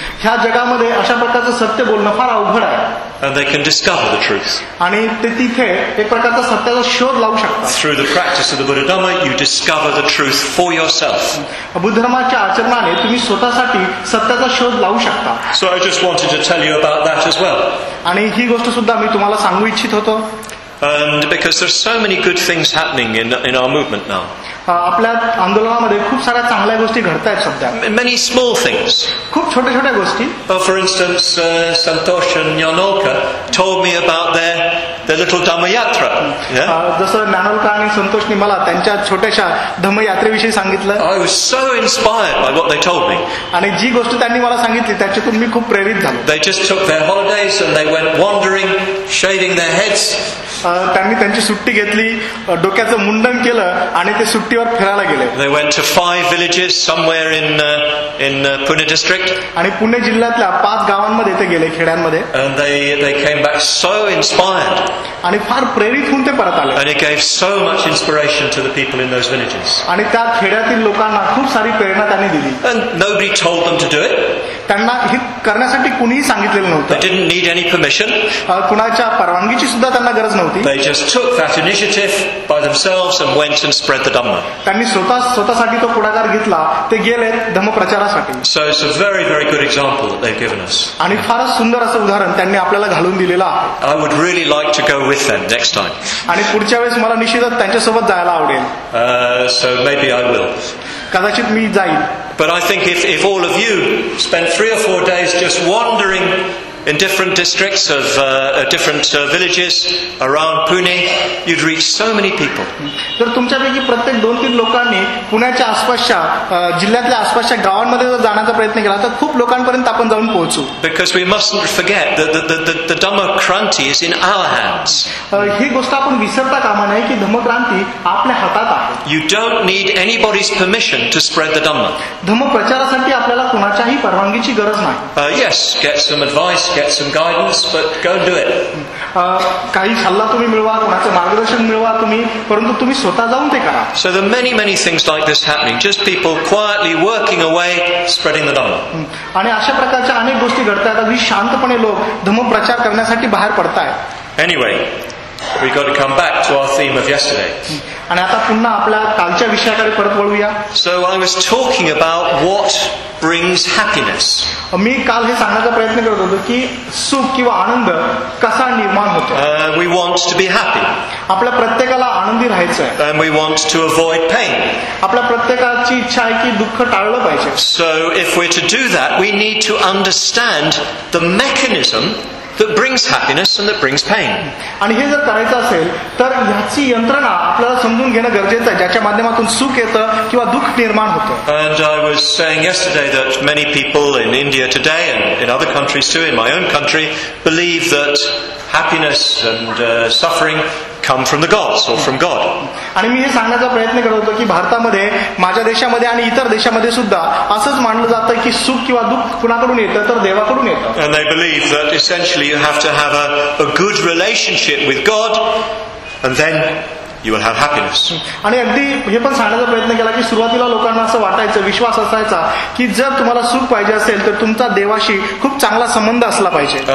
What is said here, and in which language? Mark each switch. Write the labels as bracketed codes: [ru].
[mr] ह्या जगामध्ये अशा प्रकारचं सत्य बोलणं फार अवघड आहे [en] and they can discover the truth [mr] आणि ते तिथे एक प्रकारचं सत्याचा शोध लावू शकतात [en] through the practice of the Buddha Dhamma you discover the truth for yourself [mr] Buddha धर्माच्या आचरणाने तुम्ही स्वतःसाठी सत्याचा शोध लावू शकता [en] so I just wanted to tell you about that as well [mr] आणि ही गोष्ट सुद्धा मी तुम्हाला सांगू इच्छित होतो [en] and because there's so many good things happening in our movement now [mr] आपल्या आंदोलनामध्ये खूप साऱ्या चांगल्या गोष्टी घडतायत सध्या [en] many small things [mr] खूप छोट्या छोट्या गोष्टी [en] for instance Santosh and Yanolka told me about their little dhamma yatra [mr] जसं Yanolka आणि संतोषने मला त्यांच्या छोट्याशा धम्म यात्रेविषयी सांगितलं [en] I was so inspired by what they told me [mr] आणि जी गोष्ट त्यांनी मला सांगितली त्याच्यातून मी खूप प्रेरित झालो [en] they just took their holidays and they went wandering shaving their heads [mr] त्यांनी त्यांची सुट्टी घेतली डोक्याचं मुंडन केलं आणि ते सुट्टीवर फिरायला गेले [en] they went to five villages somewhere in Pune district [mr] आणि पुणे जिल्ह्यातल्या पाच गावांमध्ये ते गेले खेड्यांमध्ये [en] and they came back so inspired [mr] आणि फार प्रेरित होऊन ते परत आले [en] and they gave so much inspiration to the people in those villages [mr] आणि त्या खेड्यातील लोकांना खूप सारी प्रेरणा त्यांनी दिली [en] and nobody told them to do it [mr] त्यांना हे करण्यासाठी कुणीही सांगितलेलं नव्हतं [en] they didn't need any permission [mr] कुणाच्या परवानगीची सुद्धा त्यांना गरज [en] They just took that initiative by themselves and went and spread the Dhamma. [mr] त्यांनी स्वतःसाठी तो पुढाकार घेतला ते गेले धम्म प्रचारासाठी. [en] So it's a very, very good example that they've given us. [mr] आणि फारच सुंदर असं उदाहरण त्यांनी आपल्याला घालून दिलेलं आहे. [en] I would really like to go with them next time. [mr] आणि पुढच्या वेळेस मला निश्चितच त्यांच्यासोबत जायला आवडेल. [en] So maybe I will. [mr] कदाचित मी जाईन. [en] But I think if all of you spent 3 or 4 days just wandering in different districts of different villages around Pune you'd reach so many people [mr] तर तुमच्यापैकी प्रत्येक 2-3 लोकांनी पुण्याच्या आसपासच्या जिल्ह्यातल्या आसपासच्या गावांमध्ये जर जाण्याचा प्रयत्न केला तर खूप लोकांपर्यंत आपण जाऊन पोहोचू [en] because we mustn't forget that the Dhamma Kranti is in our hands [mr] ही गोष्ट आपण विसरता कामा नये की धम्म क्रांती आपल्या हातात आहे [en] you don't need anybody's permission to spread the Dhamma [mr] धम्म प्रचारासाठी आपल्याला कोणाच्याही परवानगीची गरज नाही [en] yes get some advice get some guidance but go and do it [mr] काही सल्ला तुम्ही मिळवा कोणाचं मार्गदर्शन मिळवा तुम्ही परंतु तुम्ही स्वतः जाऊन ते करा [en] so there are many many things like this happening just people quietly working away spreading the dhamma [mr] आणि अशा प्रकारच्या अनेक गोष्टी घडतात की शांतपणे लोक धम्म प्रचार करण्यासाठी बाहेर पडतात [en] anyway we got to come back to our theme of yesterday [mr] आणि आता पुन्हा आपल्या कालच्या विषयाकडे परत वळूया [en] so I was talking about what brings happiness [mr] मी काल हे सांगण्याचा प्रयत्न करत होतो की सुख किंवा आनंद कसा निर्माण होतो. [en] We want to be happy. [mr] आपल्या प्रत्येकाला आनंदी राहायचं आहे. [en] And we want to avoid pain. [mr] आपल्या प्रत्येकाची इच्छा आहे की दुःख टाळलं पाहिजे. [en] So if we're to do that, we need to understand the mechanism that brings happiness and that brings pain. [mr] आणि हे जर करायचं असेल तर याची यंत्रणा आपल्याला समजून घेणं गरजेचं आहे ज्याच्या माध्यमातून सुख येतं किंवा दुःख निर्माण होतं. [en] And I was saying yesterday that many people in India today and in other countries too, in my own country, believe that happiness and suffering come from the gods or from God. [mr] आणि मी हे सांगण्याचा प्रयत्न करत होतो की भारतामध्ये माझ्या देशामध्ये आणि इतर देशामध्ये सुद्धा असंच मानलं जातं की सुख किंवा दुःख कुणाकडून येतं तर देवाकडून येतं. [en] And they believe that essentially you have to have a good relationship with God and then you will have happiness. [mr] आणि अगदी हे पण सांगण्याचा प्रयत्न केला की सुरुवातीला लोकांना असं वाटायचं विश्वास असायचा की जर तुम्हाला सुख पाहिजे असेल तर तुमचा देवाशी खूप चांगला संबंध असला पाहिजे.